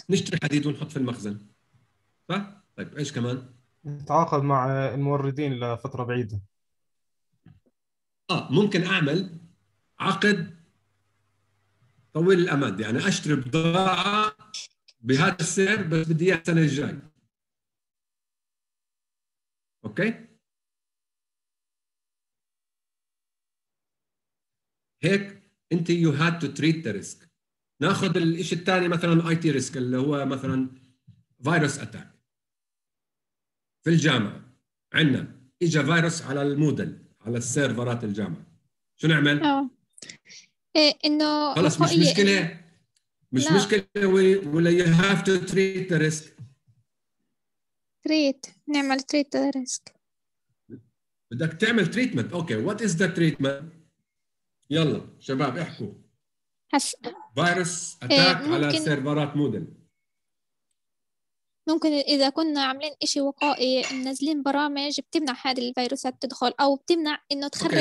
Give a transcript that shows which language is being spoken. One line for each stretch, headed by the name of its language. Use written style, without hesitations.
Arabic: نشتري حديد ونحط في المخزن صح؟ طيب إيش كمان؟ نتعاقد مع الموردين لفترة بعيدة. ممكن أعمل عقد طويل الأمد، يعني أشتري بضاعة بهذا السعر بس بدي إياها السنة الجاي.
English: Okay?
Arabic: هيك أنت
English: you had to treat the risk.
Arabic: ناخذ الشيء الثاني مثلا الاي تي ريسك اللي هو مثلا فيروس اتاك. في الجامعة عندنا اجى فيروس على المودل على السيرفرات الجامعة، شو نعمل؟ انه خلص مش مشكلة، مش لا. مشكلة ولا
English: you have to treat the risk. Treat,
Arabic: نعمل
English: Treat the risk.
Arabic: بدك تعمل تريتمنت.
English: Okay what is the treatment?
Arabic: يلا شباب احكوا.
English: Virus attack على سيرفرات Moodle.
Arabic: ممكن اذا كنا عاملين إشي وقائي منزلين برامج بتمنع هذه الفيروسات تدخل او بتمنع انه تخرب.